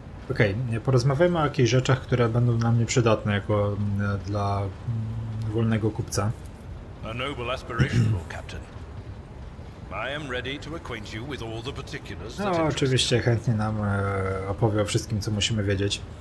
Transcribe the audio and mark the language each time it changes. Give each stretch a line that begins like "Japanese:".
Polish: Okej, porozmawiajmy o jakichś rzeczach, które będą dla mnie przydatne jako dla wolnego kupca.
English: A noble aspiration, Lord Captain. I am ready to acquaint you with all the particulars.
Polish: No, oczywiście chętnie nam opowie o wszystkim, co musimy wiedzieć.